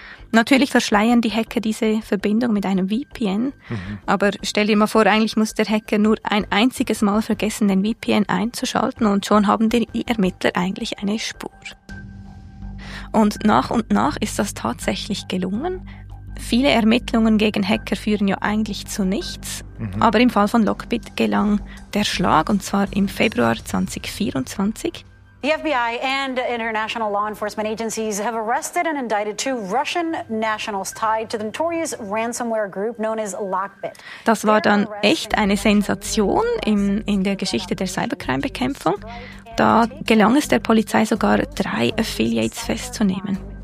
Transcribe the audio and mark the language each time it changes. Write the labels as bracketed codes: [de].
[de] Natürlich verschleiern die Hacker diese Verbindung mit einem VPN, aber stell dir mal vor, eigentlich muss der Hacker nur ein einziges Mal vergessen, den VPN einzuschalten und schon haben die Ermittler eigentlich eine Spur. Und nach ist das tatsächlich gelungen. Viele Ermittlungen gegen Hacker führen ja eigentlich zu nichts, aber im Fall von Lockbit gelang der Schlag und zwar im Februar 2024. [en] The FBI and international law enforcement agencies have arrested and indicted two Russian nationals tied to the notorious ransomware group known as Lockbit. [de] Das war dann echt eine Sensation in der Geschichte der Cybercrime-Bekämpfung. Da gelang es der Polizei sogar, drei Affiliates festzunehmen.